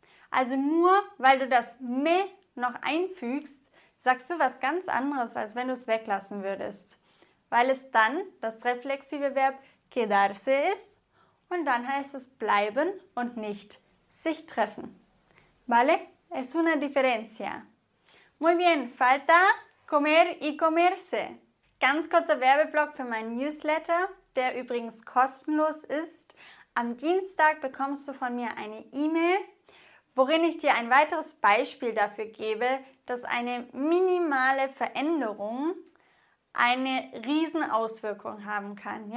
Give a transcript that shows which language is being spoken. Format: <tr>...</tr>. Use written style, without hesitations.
<de>Also nur, weil du das me noch einfügst, sagst du was ganz anderes, als wenn du es weglassen würdest. Weil es dann das reflexive Verb quedarse ist und dann heißt es bleiben und nicht sich treffen.</de> <es>¿Vale? Es una diferencia. Muy bien, falta comer y comerse.</es> <de>Ganz kurzer Werbeblock für meinen Newsletter, der übrigens kostenlos ist. Am Dienstag bekommst du von mir eine E-Mail, worin ich dir ein weiteres Beispiel dafür gebe, dass eine minimale Veränderung eine Riesenauswirkung haben kann.</de>